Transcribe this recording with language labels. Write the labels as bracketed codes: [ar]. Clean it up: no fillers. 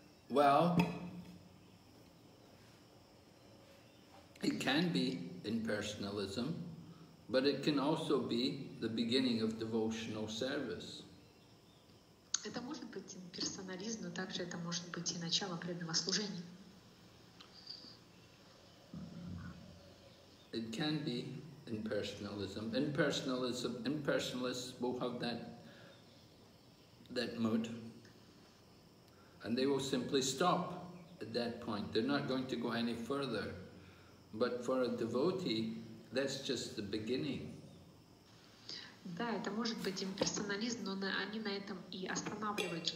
[en] Well, it can be impersonalism, but it can also be the beginning of devotional service. [ru] Это может быть имперсонализм, но также это может быть и начало преданного служения. [en] It can be impersonalism. Impersonalism, impersonalists will have that mood. And they will simply stop at that point. They're not going to go any further. But for a devotee, that's just the beginning. [ru] Да, это может быть имперсонализм, но они на этом и останавливаются.